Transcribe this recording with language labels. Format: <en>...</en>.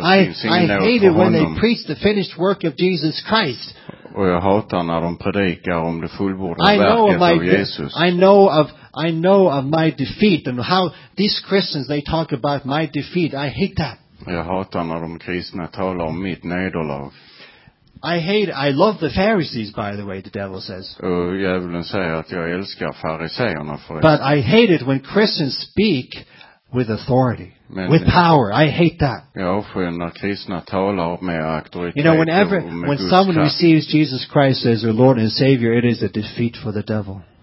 <en>I hate it when they preach the finished work of Jesus Christ.</en> <sv>Och jag hatar när de predikar om det fullbordade verket av Jesus.</sv> <en>I know of my defeat and how these Christians they talk about my defeat. I hate that.</en> <sv>Jag hatar när de kristna talar om mitt nederlag.</sv> <en>I love the Pharisees, by the way, the devil says.</en> <sv>Och djävulen säger att jag älskar fariseerna för det.</sv> <en>But I hate it when Christians speak with authority, men, with power. I hate that.</en> <sv>Jag avskyr när kristna talar med auktoritet.</sv> <en>You know, whenever, when someone receives Jesus Christ as their Lord and Savior, it is a defeat for the devil.</en>